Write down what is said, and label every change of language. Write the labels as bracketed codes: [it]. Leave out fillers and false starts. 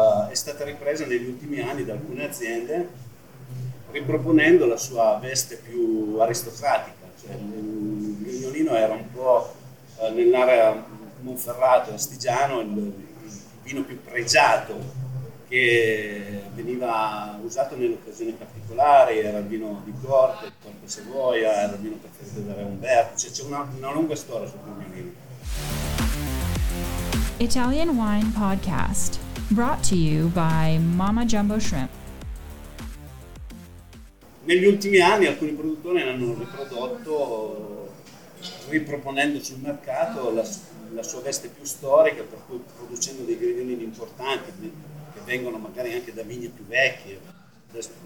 [it] è stata ripresa negli ultimi anni da alcune aziende riproponendo la sua veste più aristocratica, cioè il Grignolino era un po' nell'area Monferrato e Astigiano il vino più pregiato che veniva usato nelle occasioni particolari, era il vino di corte, Corte Savoia, era il vino preferito da Re Umberto, cioè c'è una lunga storia sul Grignolino. [en] Italian Wine Podcast, brought to you by Mama Jumbo Shrimp. [it] Negli ultimi anni alcuni produttori l'hanno riprodotto riproponendo sul mercato la sua veste più storica, per cui producendo dei Grignolini importanti che vengono magari anche da vigne più vecchie, da